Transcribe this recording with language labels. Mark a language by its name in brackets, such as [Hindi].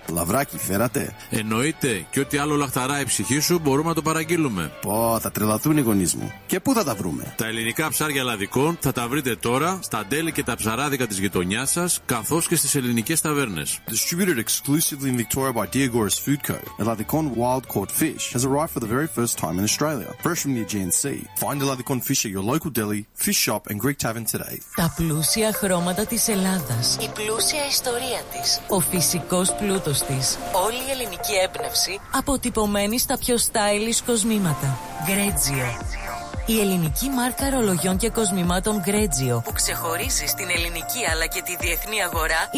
[Greek] Λαβράκι φέρατε? Εννοείται, και ό,τι άλλο λαχταράει η ψυχή σου μπορούμε να το παραγγείλουμε. Πω, θα τρελαθούν οι γονείς μου. Και πού θα τα βρούμε? Τα ελληνικά ψάρια ελλαδικών θα τα βρείτε τώρα στα τέλη και τα ψαράδικα της γειτονιάς σας, καθώς και στις ελληνικές ταβέρνες. [English] Distributed exclusively in Victoria by Diagoras Food Co. Ελλαδικών wild caught fish has arrived for the very first time in Australia, fresh from the Aegean Sea. Find Ελλαδικών fish at your local deli, fish shop and Greek tavern today. [Greek] Τα πλούσια χρώματα της Ελλάδας, η πλούσια ιστορία της, ο φυσικός πλούτος της, όλη η ελληνική έμπνευση αποτυπωμένη στα πιο stylish κοσμήματα. Greggio. Η ελληνική μάρκα ρολογιών και κοσμημάτων Greggio, που ξεχωρίζει στην ελληνική αλλά και τη διεθνή αγορά,